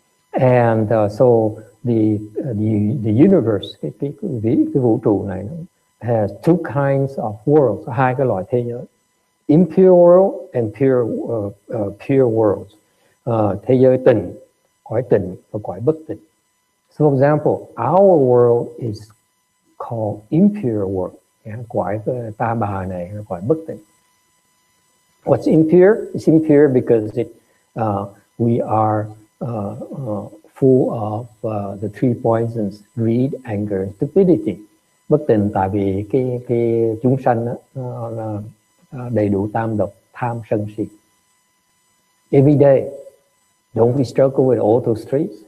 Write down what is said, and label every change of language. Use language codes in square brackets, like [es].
[en] And so the universe, [vi] cái vũ trụ này nó [en] has two kinds of worlds, [vi] hai cái loại thế giới, [en] impure world and pure worlds. [vi] Thế giới tịnh, cõi tịnh và cõi bất tịnh. [en] So for example, our world is called impure world. [vi] Cõi ta bà này là cõi bất tịnh. [en] What's impure? It's impure because we are full of the three poisons: greed, anger, and stupidity. [vi] Bất tịnh tại vì cái chúng sanh đó đầy đủ tam độc, tham sân si. [en] Every day, don't we struggle with all those three?